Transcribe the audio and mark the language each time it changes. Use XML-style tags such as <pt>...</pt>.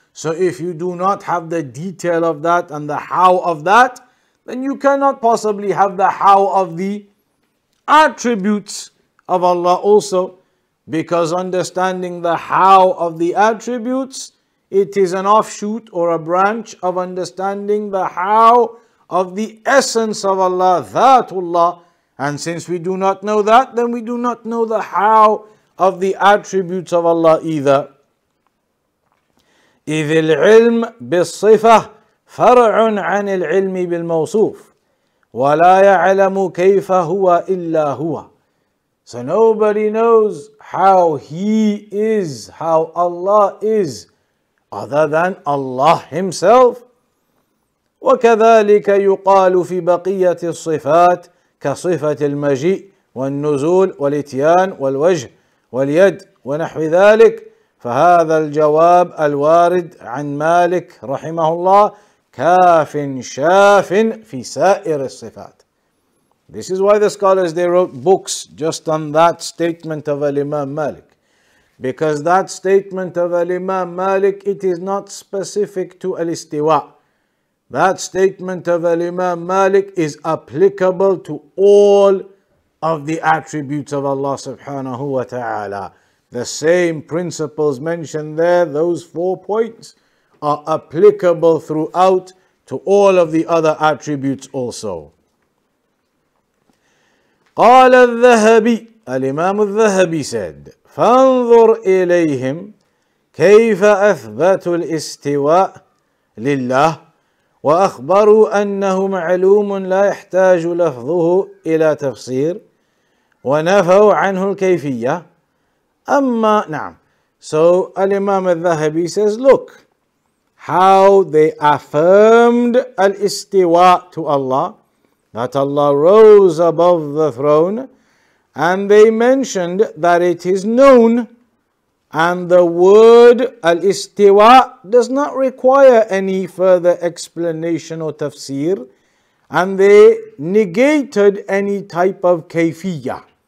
<en>So if you do not have the detail of that and the how of that, then you cannot possibly have the how of the attributes of Allah also, because understanding the how of the attributes, it is an offshoot or a branch of understanding the how of the essence of Allah, Dhatullah. And since we do not know that, then we do not know the how of the attributes of Allah either.</en> <ar>إذ العلم بالصفة فرع عن العلم بالموصوف ولا يعلم كيف هو إلا هو.</ar> <en>So nobody knows how he is, how Allah is, other than Allah himself.</en> <ar>وكذلك يقال في بقية الصفات كصفة المجيء والنزول والإتيان والوجه واليد ونحو ذلك. فهذا الجواب الوارد عن مالك رحمه الله كاف شاف في سائر الصفات.</ar> <en>This is why the scholars, they wrote books just on that statement of Imam Malik. Because that statement of Imam Malik, it is not specific to al-istiwa. That statement of Imam Malik is applicable to all of the attributes of Allah subhanahu wa ta'ala. The same principles mentioned there, those four points, are applicable throughout to all of the other attributes also.</en> <ar>قال الذهبي, الإمام الذهبي said, فانظر إليهم كيف أثبتوا الاستواء لله وأخبروا أنه معلوم لا يحتاج لفظه إلى تفسير ونفوا عنه الكيفية. أما نعم.</ar> <en>So الإمام الذهبي says, look how they affirmed الاستواء to Allah, that Allah rose above the throne, and they mentioned that it is known, and the word al-istiwa does not require any further explanation or tafsir, and they negated any type of kayfiyya.</en>